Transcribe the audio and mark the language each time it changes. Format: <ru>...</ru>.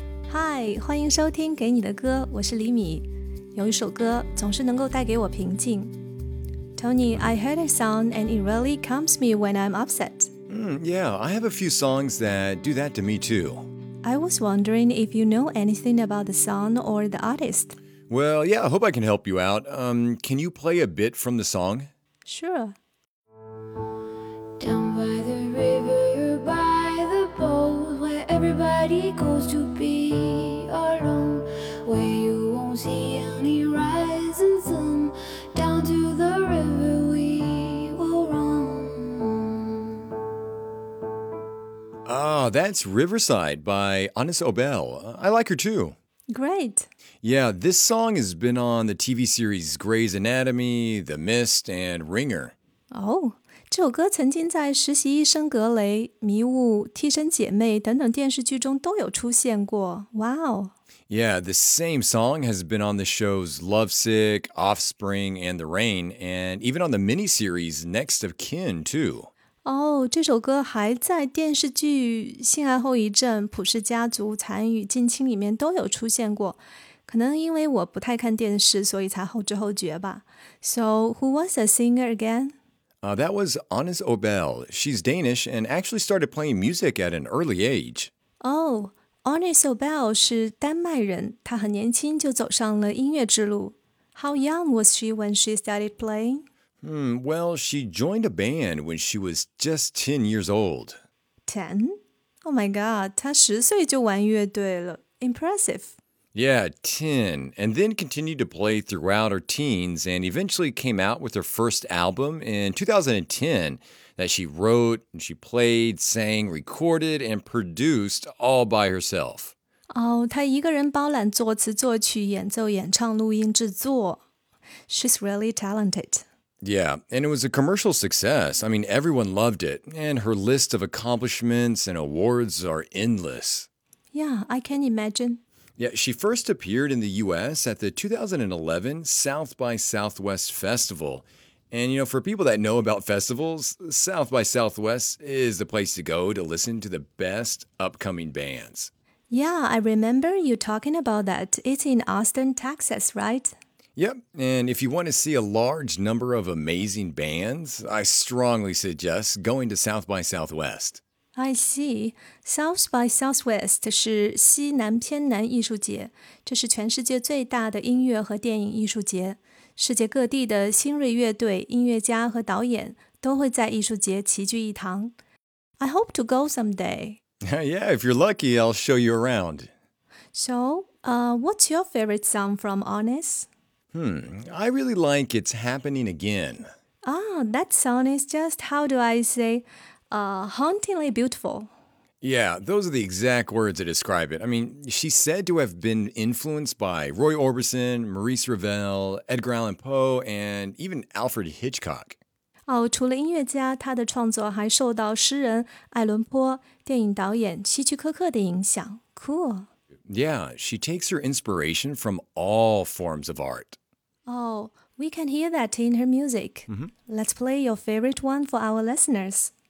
<zh>Hi, 欢迎收听给你的歌，我是李米。有一首歌总是能够带给我平静。</zh> <en>Tony, I heard a song and it really calms me when I'm upset. Yeah, I have a few songs that do that to me too. I was wondering if you know anything about the song or the artist. Well, yeah, I hope I can help you out. Can you play a bit from the song? Sure. Down by the river, by the boat, where everybody goes to be alone, where you won't see any rising sun, down to the river we will roam. Ah, that's Riverside by Anis Obel. I like her too. Great. Yeah, this song has been on the TV series Grey's Anatomy, The Mist, and Ringer. Oh.</en> <zh>这首歌曾经在《实习医生格雷》《迷雾》《替身姐妹》等等电视剧中都有出现过。</zh> <en>Wow! Yeah, the same song has been on the shows Lovesick, Offspring, and The Rain, and even on the miniseries Next of Kin, too.</en> <zh>Oh, 这首歌还在电视剧《性爱后遗症》《普世家族》《残余》《近亲》里面都有出现过。可能因为我不太看电视，所以才后知后觉吧。</zh> <en>So, who was the singer again? That was Anis Obel. She's Danish and actually started playing music at an early age.</en> <zh>Oh, Anis Obel 是丹麦人，她很年轻就走上了音乐之路。</zh> <en>How young was she when she started playing? Well, she joined a band when she was just 10 years old. 10? Oh my god,</en> <zh>她十岁就玩乐队了。</zh> <en>Impressive. Yeah, 10, and then continued to play throughout her teens and eventually came out with her first album in 2010 that she wrote and she played, sang, recorded, and produced all by herself.</en> <zh>Oh, 她一个人包揽作词、作曲、演奏、演唱、录音、制作。</zh> <en>She's really talented. Yeah, and it was a commercial success. I mean, everyone loved it, and her list of accomplishments and awards are endless. Yeah, I can imagine. Yeah, she first appeared in the U.S. at the 2011 South by Southwest Festival. And, you know, for people that know about festivals, South by Southwest is the place to go to listen to the best upcoming bands. Yeah, I remember you talking about that. It's in Austin, Texas, right? Yep, and if you want to see a large number of amazing bands, I strongly suggest going to South by Southwest. I see.</en> <zh>South by Southwest 是西南偏南艺术节，这是全世界最大的音乐和电影艺术节。世界各地的新锐乐队、音乐家和导演都会在艺术节齐聚一堂。</zh> <en>I hope to go someday. Yeah, if you're lucky, I'll show you around. So, what's your favorite song from Anis? I really like It's Happening Again. Ah, that song is just, how do I say... hauntingly beautiful. Yeah, those are the exact words to describe it. I mean, she's said to have been influenced by Roy Orbison, Maurice Ravel, Edgar Allan Poe, and even Alfred Hitchcock.</en> <zh>Oh, 除了音乐家，她的创作还受到诗人爱伦坡、电影导演希区柯克的影响。</zh> <en>Cool. Yeah, she takes her inspiration from all forms of art. Oh, we can hear that in her music. Let's play your favorite one for our listeners.</en>